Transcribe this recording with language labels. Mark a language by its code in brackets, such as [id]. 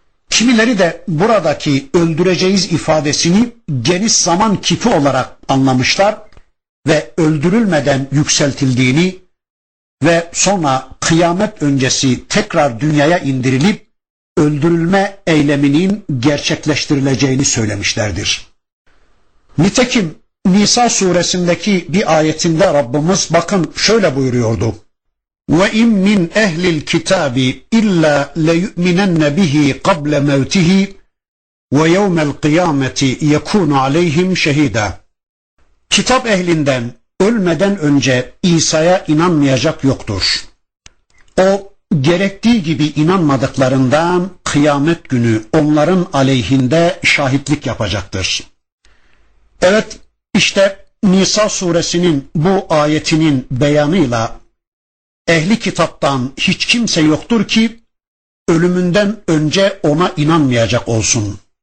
[tr] Kimileri de buradaki öldüreceğiz ifadesini geniş zaman kipi olarak anlamışlar ve öldürülmeden yükseltildiğini ve sonra kıyamet öncesi tekrar dünyaya indirilip öldürülme eyleminin gerçekleştirileceğini söylemişlerdir. Nitekim Nisa suresindeki bir ayetinde Rabbimiz bakın şöyle buyuruyordu. [ar] وَاِمْ مِنْ اَهْلِ الْكِتَابِ اِلَّا لَيُؤْمِنَنَّ بِهِ قَبْلَ مَوْتِهِ وَيَوْمَ الْقِيَامَةِ يَكُونُ عَلَيْهِمْ شَهِيدًا [tr] Kitap ehlinden ölmeden önce İsa'ya inanmayacak yoktur. O gerektiği gibi inanmadıklarından kıyamet günü onların aleyhinde şahitlik yapacaktır. Evet, işte Nisa suresinin bu ayetinin beyanıyla ehli kitaptan hiç kimse yoktur ki ölümünden önce ona inanmayacak olsun.